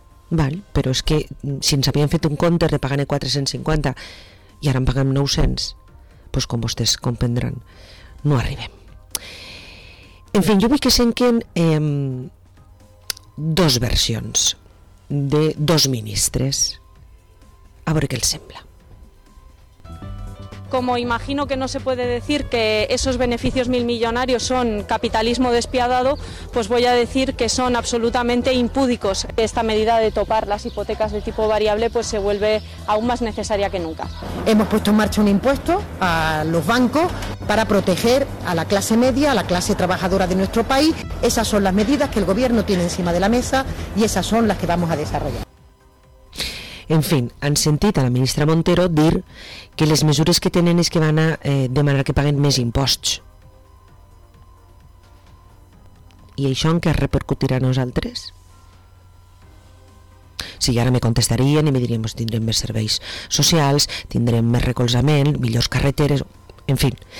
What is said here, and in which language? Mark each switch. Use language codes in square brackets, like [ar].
[ca] Val, però és que si ens havien fet un compte de pagar-ne 450 i ara en paguem 900, pues com vostès comprendran, no arribem. En fi, jo vull que senquen dos versions de dos ministres, a veure què els sembla. [es] Como imagino que no se puede decir que esos beneficios mil millonarios son capitalismo despiadado, pues voy a decir que son absolutamente impúdicos. Esta medida de topar las hipotecas de tipo variable pues se vuelve aún más necesaria que nunca. Hemos puesto en marcha un impuesto a los bancos para proteger a la clase media, a la clase trabajadora de nuestro país. Esas son las medidas que el gobierno tiene encima de la mesa y esas son las que vamos a desarrollar. [ca] En fin, han sentit a la ministra Montero dir que les mesures que tenen és que van a demanar que paguen més imposts. I això en què es repercutirà a nosaltres? Sí, ara me contestarien i me diríem que tindrem més serveis socials, tindrem més recolzament, millors carreteres, en fin.